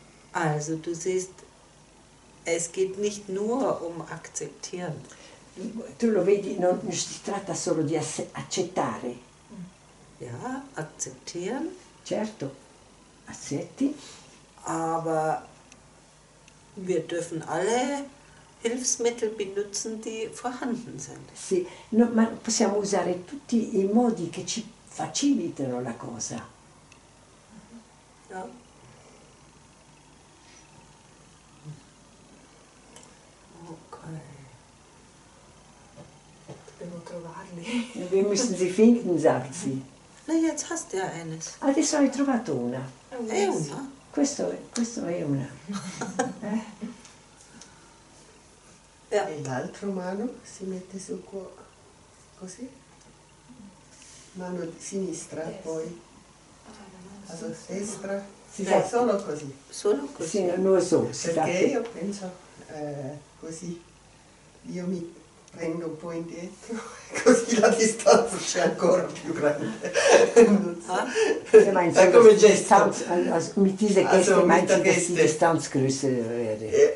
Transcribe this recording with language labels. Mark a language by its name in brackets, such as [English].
[German] Also, du siehst, es geht nicht nur um akzeptieren. [Italian] Tu lo vedi, non si tratta solo di accettare. [German] Ja, akzeptieren. [Italian] Certo, accetti. [German] Aber wir dürfen alle Hilfsmittel benutzen, die vorhanden sind. [Italian] Sì, no, ma possiamo usare tutti i modi che ci facilitano la cosa. [German] Ja. Ok. [Italian] Dobbiamo trovarli. [German] Wir müssen sie finden, sagt sie. Na, jetzt hast du ja eines. Adesso hai trovato una. [Italian] È una? Questo è una. [German] Ja. [Italian] E l'altro mano si mette sul cuore, così, mano sinistra, yes. Poi, allora, destra, si fa solo così. Solo così? Sì, non lo so. Perché io penso così io mi prendo un po' indietro, così la distanza c'è ancora più grande. Non so. Ah? [German] Meinst, Distanz, also, mit dieser Geste also, meinst du, dass die Distanz größer wäre?